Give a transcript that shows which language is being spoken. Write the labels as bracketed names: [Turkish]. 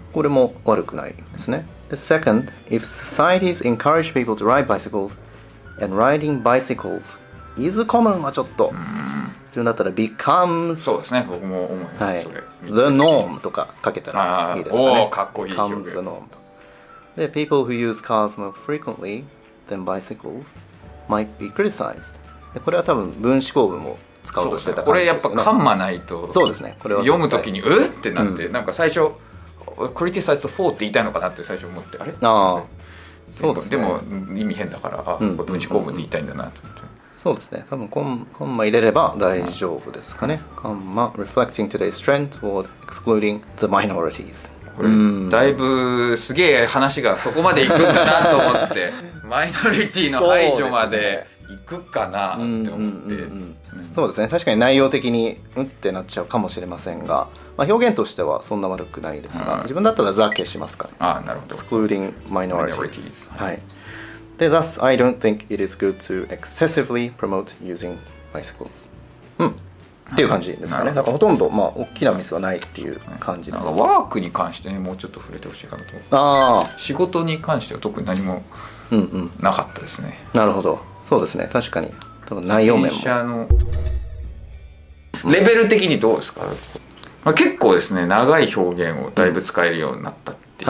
[Japanese] これも悪くないですね。 [English] The second, if societies encourage people to ride bicycles,And riding bicycles is common [Japanese] はちょっと自分だったら [English] becomes [Japanese] そうですね、僕も思います、はい、 [English] the norm [Japanese] とかかけたらいいですかね。おー、かっこいい [English] comes the norm [Japanese] とで、 [English] people who use cars more frequently than bicycles might be criticized。 [Japanese] でこれは多分分子構文も使おうとしてた感じですよね。これやっぱカンマないとそうですね、これは読むときにうってなって、うん、なんか最初 [English] criticized for [Japanese] って言いたいのかなって最初思って、あれあそうですね、でも意味変だから、あ、これ分子構文で言いたいんだなと思って、うんうんうん、そうですね、多分コンマ入れれば大丈夫ですかね、うん、コンマ [English] reflecting today's trend toward excluding the minorities。 [Japanese] これ、うん、だいぶすげえ話がそこまで行くんだなと思ってマイノリティの排除まで行くかなって思って、そうですね、確かに内容的にうってなっちゃうかもしれませんが、まあ、表現としてはそんな悪くないですが、自分だったらザ消しますから。ああ、なるほど。 [English] Excluding minorities。 はい。で、thus, I don't think it is good to excessively promote using bicycles。 [Japanese] うん。っていう感じですかね。なんかほとんど、まあ、大きなミスはないっていう感じです。なんかワークに関してね、もうちょっと触れてほしいかなと思って。ああ。仕事に関しては特に何もなかったですね。うんうん、なるほど。そうですね、確かに。多分内容面も。自転車のレベル的にどうですか、まあ、結構ですね、長い表現をだいぶ使えるようになったっていう、